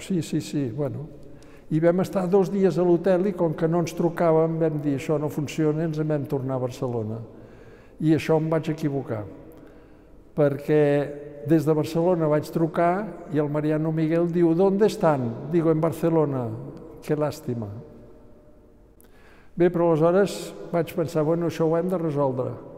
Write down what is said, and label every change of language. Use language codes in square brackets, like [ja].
[ca] Sí, sí, sí, bueno. I vam estar 2 dies a l'hotel i com que no ens trucàvem vam dir això no funciona i ens en vam tornar a Barcelona. I això em vaig equivocar, perquè des de Barcelona vaig trucar i el Mariano Miguel diu, [es] ¿dónde están? Digo, en Barcelona, qué lástima. [ca] Bé, però aleshores vaig pensar, bueno, això ho hem de resoldre.